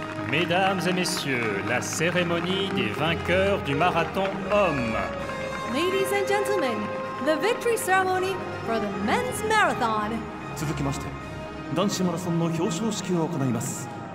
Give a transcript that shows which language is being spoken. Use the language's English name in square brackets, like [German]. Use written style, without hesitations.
[French] Mesdames et messieurs, la cérémonie des vainqueurs du marathon homme. [English] Ladies and gentlemen, the victory ceremony for the men's marathon. [Japanese] 続きまして、男子マラソンの表彰式を行います。